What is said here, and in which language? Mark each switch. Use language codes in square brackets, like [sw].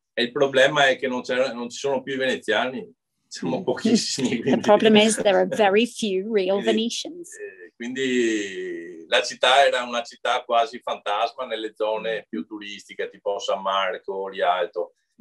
[it] E il problema è che non ci sono più i veneziani. siamo pochissimi. Quindi... [en] The problem is there are very few real Venetians. [it] Quindi la città era una città quasi fantasma nelle zone più turistiche, tipo San Marco, Rialto.